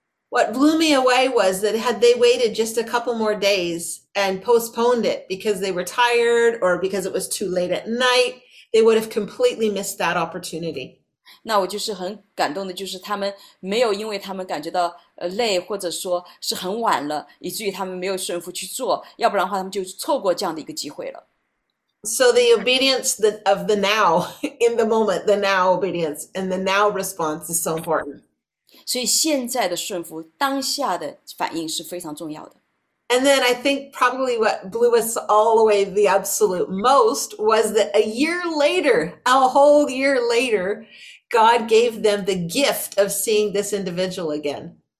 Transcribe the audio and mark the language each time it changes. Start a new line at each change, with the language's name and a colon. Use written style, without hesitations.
English: What blew me away was that had they waited just a couple more days and postponed it because they were tired or because it was too late at night, they would have completely missed that opportunity.
Chinese: 那我就是很感动的，就是他们没有因为他们感觉到累，或者说是很晚了，以至于他们没有顺服去做，要不然的话，他们就错过这样的一个机会了。
English: So the obedience of the now, in the moment, the now obedience and the now response is so important.
Chinese: 所以现在的顺服，当下的反应是非常重要的。
English: And then I think probably what blew us all away the absolute most was that a year later, a whole year later, God gave them the gift of seeing this individual again.